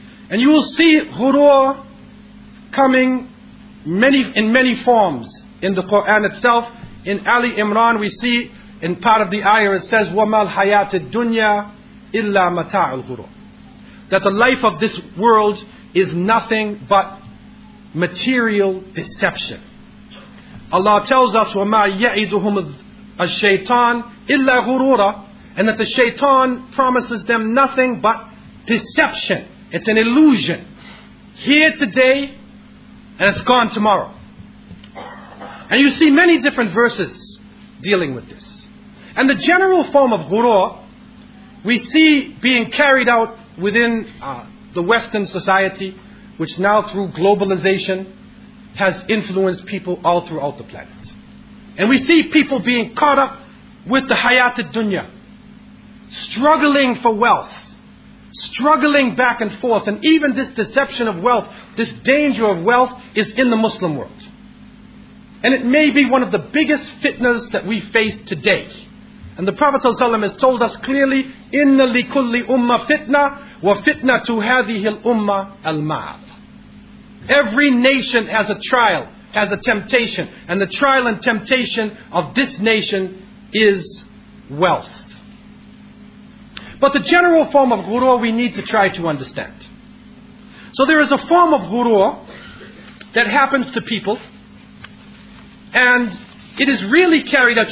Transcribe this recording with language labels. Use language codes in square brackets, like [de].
[en] And you will see ghurur coming in many forms in the Quran itself. In Ali Imran we see, in part of the ayah, it says, [ar] وَمَا الْحَيَاةِ الدُّنْيَا إِلَّا مَتَاعُ الْغُرُورِ. [en] That the life of this world is nothing but material deception. Allah tells us, [ar] وَمَا يَعِدُهُمُ الشَّيْطَانِ إِلَّا غُرُورًا. [en] And that the shaitan promises them nothing but deception. It's an illusion. Here today, and it's gone tomorrow. And you see many different verses dealing with this. And the general form of ghurur we see being carried out within the Western society, which now through globalization has influenced people all throughout the planet. And we see people being caught up with the hayat ad-dunya, struggling for wealth, struggling back and forth, and even this deception of wealth, this danger of wealth, is in the Muslim world. And it may be one of the biggest fitnas that we face today. And the Prophet ﷺ has told us clearly, [ar] إِنَّ لِكُلِّ أُمَّ فِتْنَةً وَفِتْنَةُ هَذِهِ الْأُمَّةِ الْمَعَذِ. [en] Every nation has a trial, has a temptation, and the trial and temptation of this nation is wealth. But the general form of ghurur we need to try to understand. So there is a form of ghurur that happens to people, and it is really carried out.